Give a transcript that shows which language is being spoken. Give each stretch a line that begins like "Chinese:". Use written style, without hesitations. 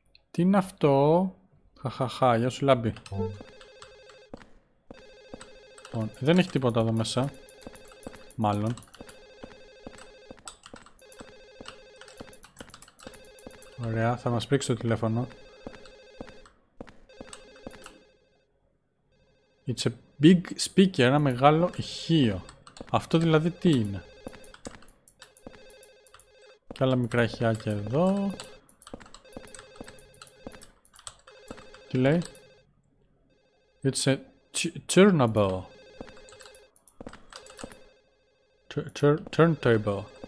Greek: Τι είναι αυτό. Χαχαχα, γεια σου λάμπη. Λοιπόν, δεν έχει τίποτα εδώ μέσα. Μάλλον. Ωραία, θα μας πρίξει το τηλέφωνο.
English: It's a big speaker,
Greek: ένα μεγάλο ηχείο. Αυτό δηλαδή τι είναι. Και άλλα μικρά ηχιάκια εδώ. Τι λέει.
English: It's a turnable. Turntable.